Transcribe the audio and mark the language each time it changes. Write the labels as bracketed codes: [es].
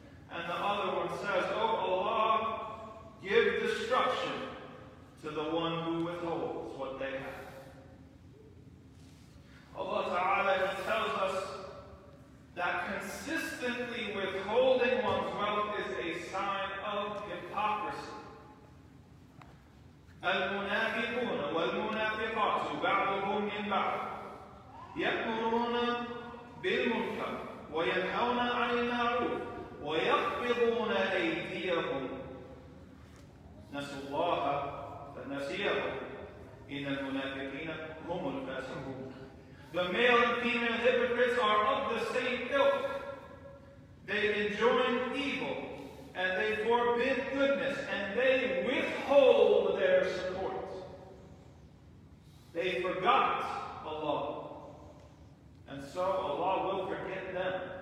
[en] And the other one says, "Oh Allah, give destruction to the one who withholds what they have." Allah Ta'ala tells us that consistently withholding one's wealth is a sign of hypocrisy. [ar] المنافقون والمنافقات بعضهم من بعض يأمرون بالمنكر وينهون عن المعروف ويقبضون أيديهم نسوا الله فنسيهم إن المنافقين هم الفاسقون. [en] The male and female hypocrites are of the same ilk. They enjoin evil and they forbid goodness and they withhold their support. They forgot Allah, and so Allah will forget them.